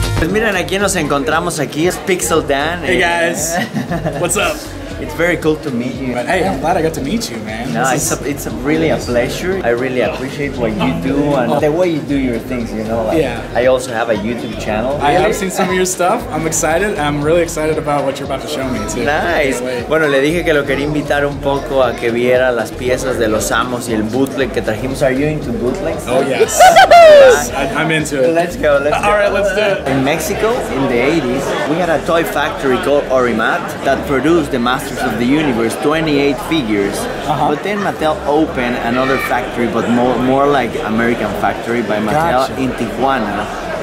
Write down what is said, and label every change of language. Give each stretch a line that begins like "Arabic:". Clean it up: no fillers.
Spanish: Miren a quién nos encontramos aquí, es Pixel Dan.
English: Hey guys, what's up? It's very cool to meet you. But hey, I'm glad I got to meet you, man. No, it's really a pleasure. I really appreciate what you do and the way you do your things, you know. Like, yeah. I also have a YouTube channel. I have seen some of your stuff. I'm excited. I'm really excited about what you're about to show me, too. Nice.
Spanish: Bueno, le dije que lo quería invitar un poco a que viera las piezas de Los Amos y el bootleg que trajimos.
English: Are you into bootlegs? Oh, yes. I'm into it. Let's go. All right, let's do it. In Mexico, in the 80s, we had a toy factory called Orimat that produced the Masters of the Universe, 28 figures. Uh-huh. But then Mattel opened another factory, but more like American factory by Mattel, gotcha, in Tijuana.